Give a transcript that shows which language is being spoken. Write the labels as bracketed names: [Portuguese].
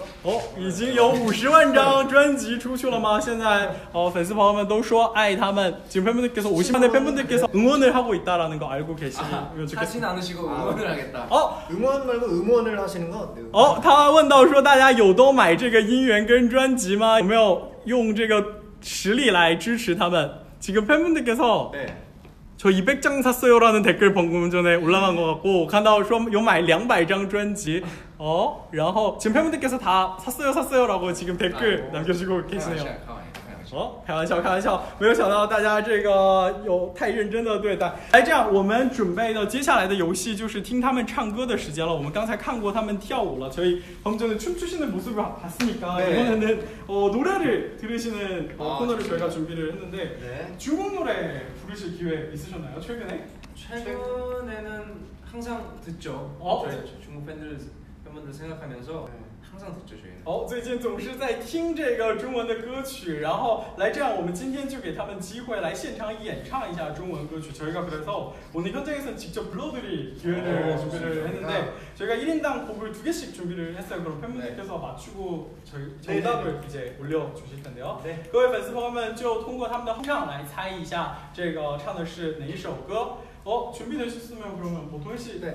[Chinese] 哦, 已经有50万张专辑出去了吗? 现在, 粉丝朋友们都说爱他们, [Korean] 지금 팬분들께서, 50만의 팬분들께서 응원을 하고 있다라는 거 알고 계시면 좋겠어요. 사진 안으시고 응원을 하겠다. 어? 응원 말고 응원을 하시는 거 어때요? 어? [Chinese] 他问到说大家有都买这个音源跟专辑吗? 有没有用这个实力来支持他们? [Korean] 지금 팬분들께서, 저 200장 샀어요라는 댓글 방금 전에 올라간 것 같고, [Chinese] 看到说有买200张专辑, [Korean] 어? 然后, 지금 팬분들께서 다 샀어요, 샀어요, 라고 지금 댓글 아, 남겨주고 계시네요. [Chinese] 어? 开玩笑, 开玩笑. 没有想到大家这个有太认真的对待.来这样,我们准备的接下来的游戏就是听他们唱歌的时间了. 我们刚才看过他们跳舞了. [Korean] 저희 방금 전에 춤추시는 모습을 봤으니까, 네. 이번에는, 노래를 들으시는 코너를 저희가 준비를 했는데, 네. 중국 노래 부르실 기회 있으셨나요, 최근에? 최근에는 항상 듣죠. 어? 저희 중국 팬들. 생각하면서 항상 듣죠 저희는 [Chinese] 最近总是在听这个中文的歌曲然后来这样我们今天就给他们机会来现场演唱一下中文歌曲 [Korean] 저희가 그래서 오늘 현장에서 직접 불러드릴 기회를 준비를 했는데 저희가 1인당 곡을 두 개씩 준비를 했어요 그럼 팬분들께서 맞추고 정답을 이제 올려주실 텐데요 [Chinese] 各位粉丝朋友们就通过他们的哼唱来猜一下这个唱的是哪一首歌 [Korean] 준비되셨으면 그러면 보통씨